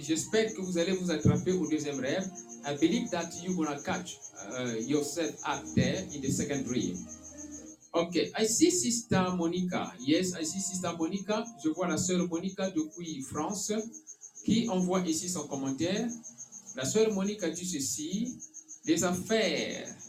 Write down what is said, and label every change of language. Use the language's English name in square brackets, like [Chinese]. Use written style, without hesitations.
[French] J'espère que vous allez vous attraper au deuxième rêve. [English] I believe that you gonna catch yourself up there in the second dream. Okay, I see Sister Monica. Yes, I see Sister Monica. [French] Je vois la sœur Monica depuis France qui envoie ici son commentaire. La sœur Monique a dit ceci, les affaires,